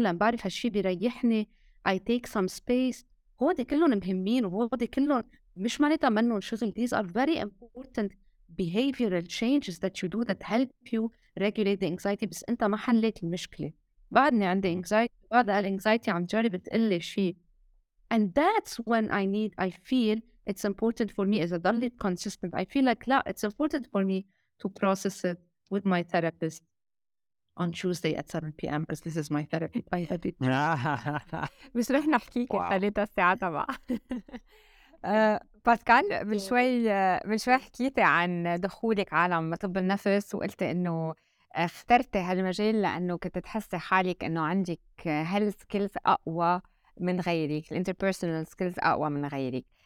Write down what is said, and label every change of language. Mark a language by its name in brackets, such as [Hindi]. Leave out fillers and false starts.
[Arabic] لأن بعرف هالشي بيريحني. [English] I take some space. [Arabic] هودي كلهم مهمين وهودي كلهم مش معناتها منه شغل. [English] These are very important behavioral changes that you do that help you regulate the anxiety. [Arabic] بس انت ما حليت المشكلة. بعدني عندي anxiety. بعد الانكزايتي عم جرب تقلي شيء. [English] And that's when I feel it's important for me as a daily consistent. I feel like, لا, it's important for me to process it with my therapist on Tuesday at 7 PM because this is my therapy by habit. [Arabic] مش رح نحكيك ثلاثة ساعات بقى. باسكال, من شوي حكيتي عن دخولك عالم طب النفس وقلتي انه اخترتي هالمجال لانه كنت تحسي حالك انه عندك هالسكيلز اقوى من غيرك, الانتربيرسونال سكيلز اقوى من غيرك.